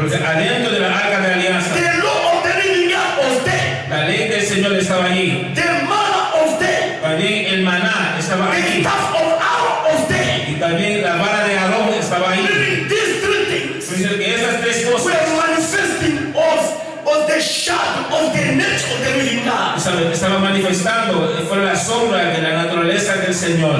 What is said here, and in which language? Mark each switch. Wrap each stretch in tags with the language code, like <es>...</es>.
<es>Porque adentro de la arca de la alianza.</es> <en>The law of the living was there.</en> <es>La ley del Señor estaba allí.</es> <en>The manna was there.</en> <es>También el maná estaba</es> <en>the</en> <es>allí.</es> <en>The staff of Aaron was there.</en> <es>Y también la vara de Aarón estaba allí.</es> <en>These three things.</en> <es>Pues que esas tres cosas.</es> <en>Were manifesting of the shadow of the nature of the living God.</en> <es>Estaba manifestando fuera la sombra de la naturaleza del Señor.</es>